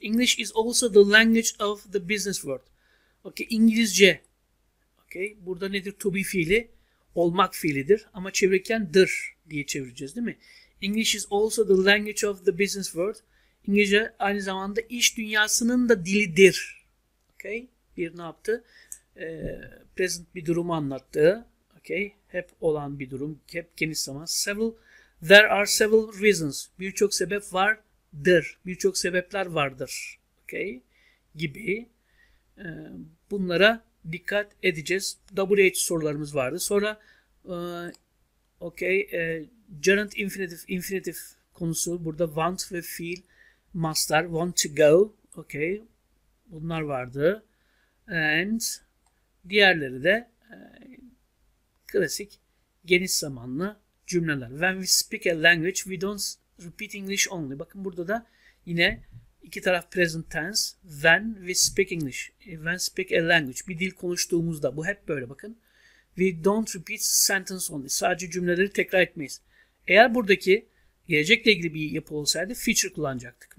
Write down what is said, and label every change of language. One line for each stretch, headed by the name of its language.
English: English is also the language of the business world.
Turkish: Okay. İngilizce. Okay. Burada nedir? To be fiili. Olmak fiilidir. Ama çevirirken dır diye çevireceğiz değil mi?
English: English is also the language of the business world.
Turkish: İngilizce aynı zamanda iş dünyasının da dilidir. Okay. Bir ne yaptı? Present bir durumu anlattı. Okay. Hep olan bir durum. Hep geniş zaman.
English: Several, there are several reasons.
Turkish: Birçok sebep vardır. Birçok sebepler vardır. Okay. Gibi. Bunlara dikkat edeceğiz. WH sorularımız vardı. Sonra okay, gerund infinitive, infinitive konusu. Burada want ve feel. Must'lar, want to go, okay, bunlar vardı. And diğerleri de klasik geniş zamanlı cümleler.
English: When we speak a language, we don't repeat English only.
Turkish: Bakın burada da yine iki taraf present tense.
English: When we speak English, when speak a language,
Turkish: bir dil konuştuğumuzda, bu hep böyle bakın.
English: We don't repeat sentence only,
Turkish: sadece cümleleri tekrar etmeyiz. Eğer buradaki gelecekle ilgili bir yapı olsaydı future kullanacaktık.